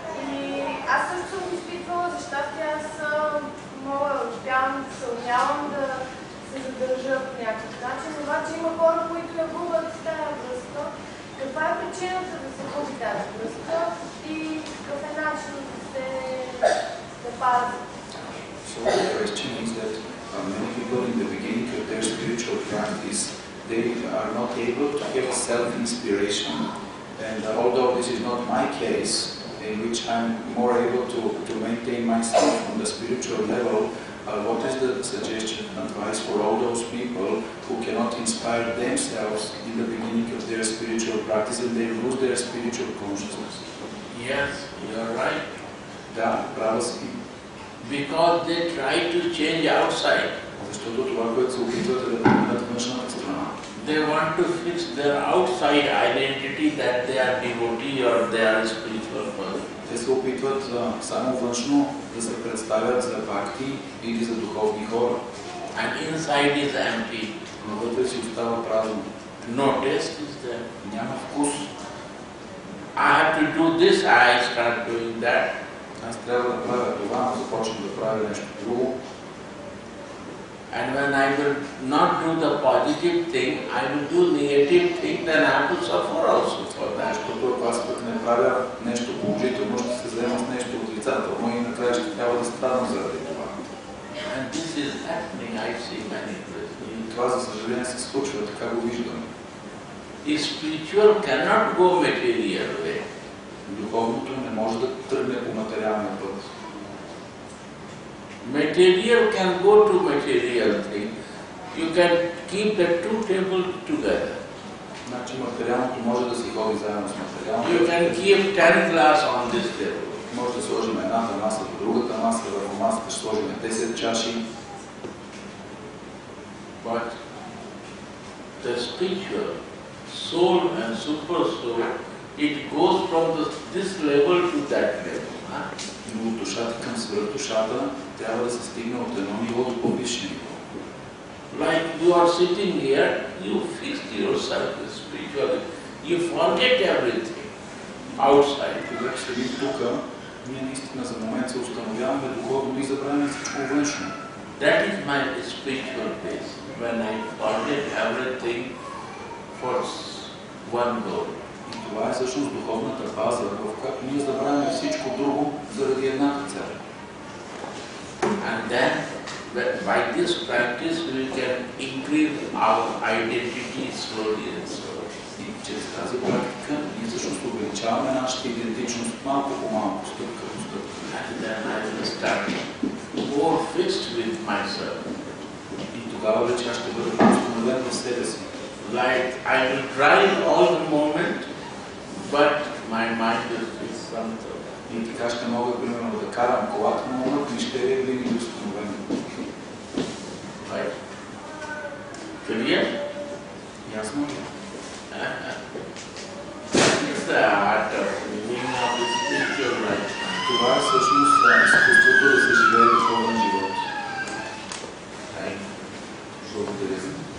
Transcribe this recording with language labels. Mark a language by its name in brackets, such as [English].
[Bulgarian] И аз също съм изпитвала, за щастие аз мога, успявам, съумявам да се задържа по някакъв начин, обаче има хора, които я губят с тази връзка. Каква е причината да се губи тази връзка и какъв е начин да се запази? [English] So the question is that many people in the beginning of their spiritual practice, they are not able to get self-inspiration. And although this is not my case, in which I'm more able to maintain myself on the spiritual level, What is the suggestion, advice for all those people who cannot inspire themselves in the beginning of their spiritual practice and they lose their spiritual consciousness? Yes, you are right. [Bulgarian] Да, право си. [English] Because they try to change outside. [Bulgarian] Защото това, което се опитват да променят външната страна. [English] They want to fix their outside identity that they are devotee or they are spiritual person. [Bulgarian] Те се опитват само външно да се представят за бхакти или за духовни хора. [English] And inside is empty. [Bulgarian] Но вътре си остава празно. [English] No taste is there. [Bulgarian] Няма вкус. [English] I have to do this, I start doing that. [Bulgarian] Аз трябва да правя това, но започвам да правя нещо друго. [English] And when I will not do the positive thing, I will do negative thing, then I have to suffer also for that. [Bulgarian] Защото ако аз пък не правя нещо положително, ще се взема с нещо отрицателно и накрая ще трябва да страдам заради това. [English] And this is happening, I see many places. [Bulgarian] И това, за съжаление, се случва, така го виждам. [English] The spiritual cannot go material way. [Bulgarian] Духовното не може да тръгне по материалния път. [English] Material can go to material thing. You can keep the two tables together. [Bulgarian] Значи материалното може да си ходи заедно с материалното. [English] You can keep 10 glass on this table. [Bulgarian] Може да сложим едната маса по другата маса, върху масата ще сложим 10 чаши. [English] But the spiritual soul and super soul, it goes from this level to that level. [Bulgarian] Но от душата към свърхдушата трябва да се стигне от едно ниво до по-висше ниво. [English] Like you are sitting here, you fix yourself spiritually. You forget everything outside. [Bulgarian] Когато седим тук, ние наистина за момент се установяваме духовно и забравяме всичко външно. [English] That is my spiritual place, when I forget everything for one goal. [Bulgarian] Това е всъщност духовната фаза, в която ние забравяме всичко друго заради една цел. [English] And then, by this practice, we can increase our identity slowly and slowly. [Bulgarian] И чрез тази практика, ние всъщност увеличаваме нашата идентичност малко по малко, стъпка по стъпка. [English] And then I will start more fixed with myself. [Bulgarian] И тогава вече аз ще бъда постановен на себе си. [English] Like, I will drive all the moment, but my mind is with something. [Bulgarian] И така ще мога, примерно, да карам колата, но на книжка е винаги установен. [English] Right. Clear? [Bulgarian] Ясно ли? [English] It's the art of living of the spiritual life. [Bulgarian] Това е всъщност изкуството да се живее духовен живот. Благодаря ви.